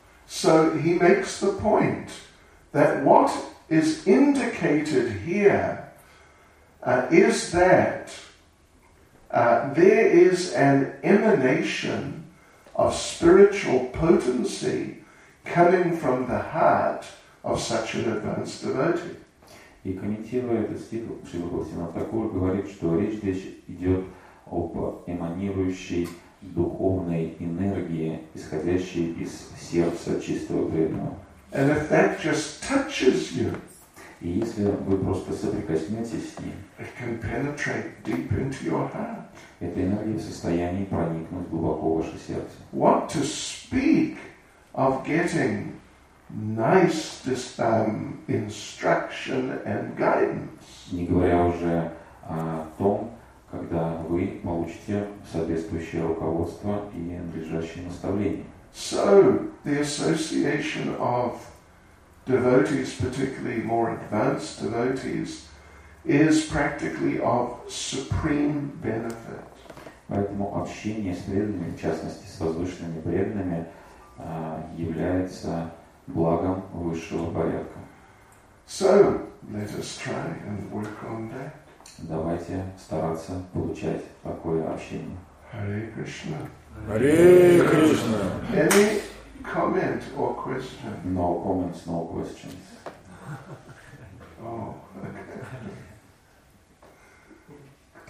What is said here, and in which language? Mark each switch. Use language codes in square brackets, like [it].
[en] So he makes the point that what is indicated here is that there is an emanation of spiritual potency coming from the heart of such an advanced devotee. [ru] И комментируя этот стих, Шрила Бхактивинода Тхакур говорит, что речь здесь идет об эманирующей духовной энергии, исходящей из сердца чистого преданного. И если вы просто соприкоснетесь с ней, эта энергия в состоянии проникнуть глубоко в ваше сердце. [en] What to speak of getting nice instruction and guidance. [ru] Не говоря уже о том, когда вы получите соответствующее руководство и надлежащее наставление. [en] So the association of devotees, particularly more advanced devotees, is practically of supreme benefit. [ru] Поэтому общение с преданными, в частности с возвышенными преданными, является благом высшего порядка. [en] So, let us try and work on that. [ru] Давайте стараться получать такое общение. [en] Hare Krishna. Hare Krishna. Any comment or question? No comments, no questions. Oh, okay.